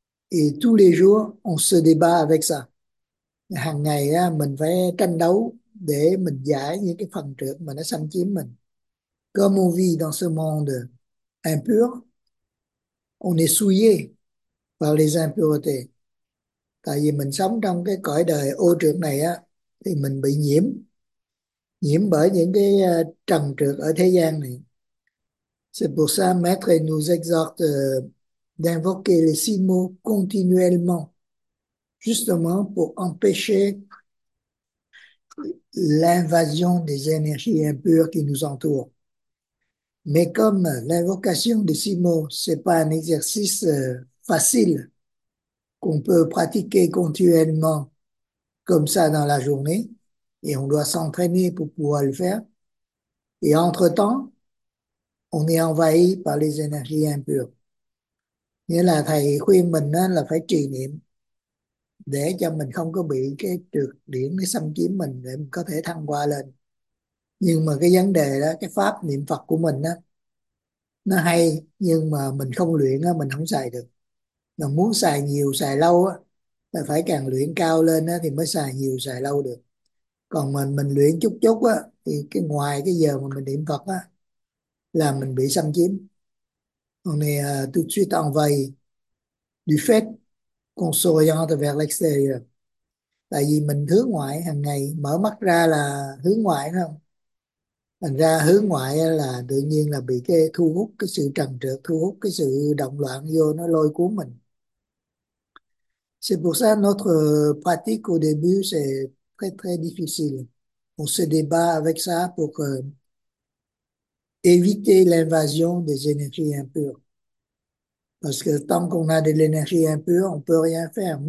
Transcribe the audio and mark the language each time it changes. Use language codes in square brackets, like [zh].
[fr] Et tous les jours, on se débat avec ça. [vi] Hàng ngày á, mình phải tranh đấu để mình giải những cái phần trượt mà nó xâm chiếm mình. [fr] Comme on vit dans ce monde impur, on est souillé par les impuretés. [vi] Tại vì mình sống trong cái cõi đời ô trượt này á, thì mình bị nhiễm bởi những cái trần trượt ở thế gian này. [fr] C'est pour ça Maître nous exhorte d'invoquer les six mots continuellement, justement pour empêcher l'invasion des énergies impures qui nous entourent. Mais comme l'invocation des six mots, ce n'est pas un exercice facile qu'on peut pratiquer continuellement comme ça dans la journée, et on doit s'entraîner pour pouvoir le faire, et entre-temps, on est envahi par les énergies impures. [vi] Nghĩa là thầy khuyên mình á, là phải trì niệm để cho mình không có bị cái trược điển xâm chiếm mình để mình có thể thăng hoa lên. Nhưng mà cái vấn đề đó, cái pháp niệm Phật của mình á, nó hay nhưng mà mình không luyện á, mình không xài được. Mà muốn xài nhiều xài lâu á, là phải càng luyện cao lên á, thì mới xài nhiều xài lâu được. Còn mình luyện chút chút á, thì cái ngoài cái giờ mà mình niệm Phật á, là mình bị xâm chiếm. [fr] On est tout de suite envahi du fait qu'on s'oriente vers l'extérieur. [vi] Tại vì mình hướng ngoại hàng ngày, mở mắt ra là hướng ngoại phải không? Thành ra hướng ngoại là tự nhiên là bị cái thu hút cái sự trần trược, thu hút cái sự động loạn vô, nó lôi cuốn mình. [fr] C'est pour ça notre pratique au début c'est très très difficile. On se débat avec ça pour que éviter l'invasion des énergies impures. Parce que tant qu'on a de l'énergie impure, on peut rien faire.